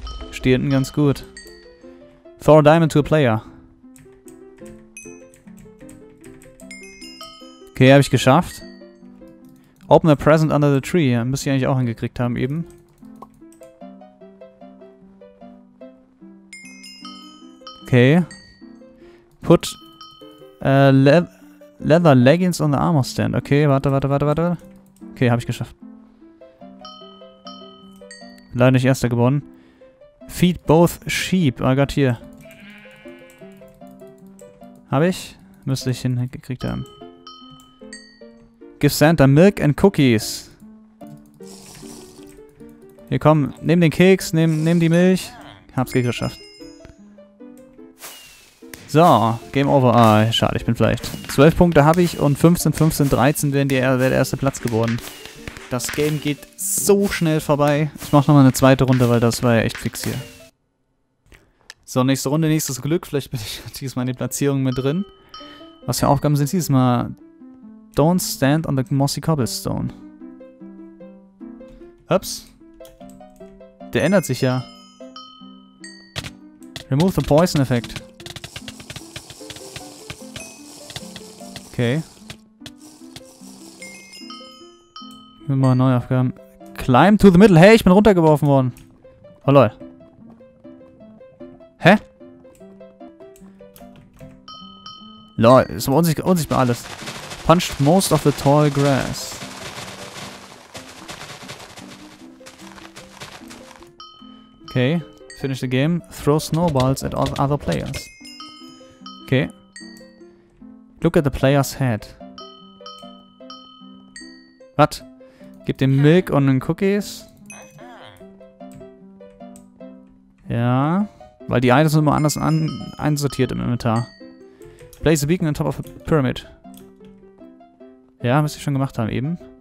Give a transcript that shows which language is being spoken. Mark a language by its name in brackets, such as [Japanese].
[German] Steht hinten ganz gut. [English] Throw a diamond to a player. Okay, [German] hab ich geschafft. [English] Open a present under the tree. [German] Müsste ich eigentlich auch hingekriegt haben eben. [English] Okay. Put Leather Leggings on the Armor Stand. [German] Okay, warte. Okay, habe ich geschafft. Leider nicht erster gewonnen. [English] Feed both sheep. [German] Oh Gott, hier. Habe ich? Müsste ich hingekriegt haben. [English] Give Santa milk and cookies. [German] Hier, komm. Nimm den Keks, nimm die Milch. Hab's geschafft. So, Game Over. Ah, schade, ich bin vielleicht. 12 Punkte habe ich und 15, 13 wäre der erste Platz geworden. Das Game geht so schnell vorbei. Ich mache nochmal eine zweite Runde, weil das war ja echt fix hier. So, nächste Runde, nächstes Glück. Vielleicht bin ich diesmal in die Platzierung mit drin. Was für Aufgaben sind diesmal? [English] Don't stand on the mossy cobblestone. [German] Ups. Der ändert sich ja. [English] Remove the poison effect. Okay. [German] Ich will mal neue Aufgaben. [English] Climb to the middle. [German] Hey, ich bin runtergeworfen worden. Oh lol. Hä? Lol, es war unsichtbar alles. [English] Punched most of the tall grass. Okay. Finish the game. Throw snowballs at all other players. Okay. Look at the player's head. What? [German] Gib dem Milk und den Cookies. Ja. Weil die Items sind immer anders einsortiert im Inventar. [English] Place a beacon on top of a pyramid. [German] Ja, müsste ich schon gemacht haben eben.